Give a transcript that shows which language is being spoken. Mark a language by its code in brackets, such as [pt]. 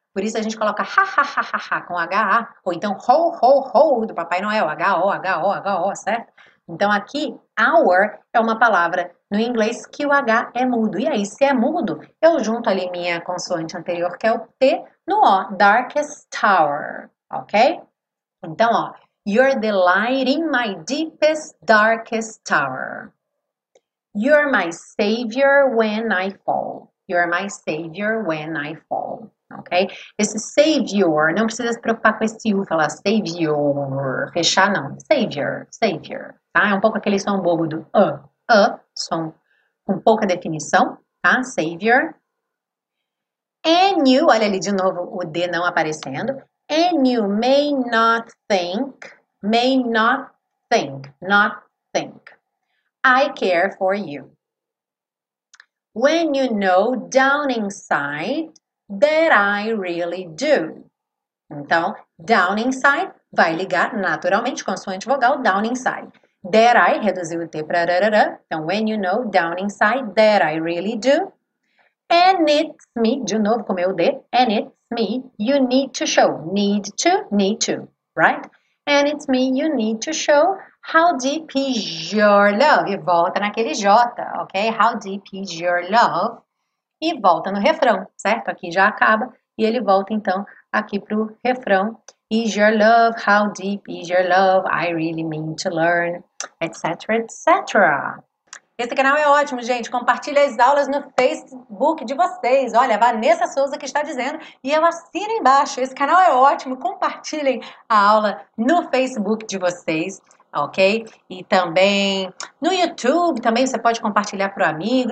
[pt] Por isso a gente coloca ha-ha-ha-ha-ha com H-A. Ou então ho-ho-ho do Papai Noel. H-O, H-O, H-O, certo? Então aqui, hour é uma palavra no inglês que o H é mudo. E aí, se é mudo, eu junto ali minha consoante anterior, que é o T, no O. [en] Darkest tower. [pt] Ok? Então, ó. [en] You're the light in my deepest, darkest tower. You're my savior when I fall. You're my savior when I fall. Ok? [pt] Esse savior, não precisa se preocupar com esse U, falar savior, fechar, não. Savior, savior. Tá? É um pouco aquele som bobo do som com pouca definição, tá? Savior. [en] And you, [pt] olha ali de novo o D não aparecendo. [en] And you may not think. May not think, not think. I care for you. When you know down inside that I really do. [pt] Então, [en] down inside [pt] vai ligar naturalmente, consoante vogal, down inside. [en] That I, [pt] reduziu o T para rararã. Então, [en] when you know down inside that I really do. And it's me, [pt] de novo com o meu D. [en] And it's me you need to show. Need to, right? And it's me you need to show how deep is your love. [pt] E volta naquele J, ok? [en] How deep is your love? [pt] E volta no refrão, certo? Aqui já acaba e ele volta então aqui pro refrão. [en] Is your love? How deep is your love? I really mean to learn, etc, etc. [pt] Esse canal é ótimo, gente. Compartilha as aulas no Facebook de vocês. Olha, a Vanessa Souza que está dizendo e eu assino embaixo. Esse canal é ótimo. Compartilhem a aula no Facebook de vocês, ok? E também no YouTube também você pode compartilhar para o amigo.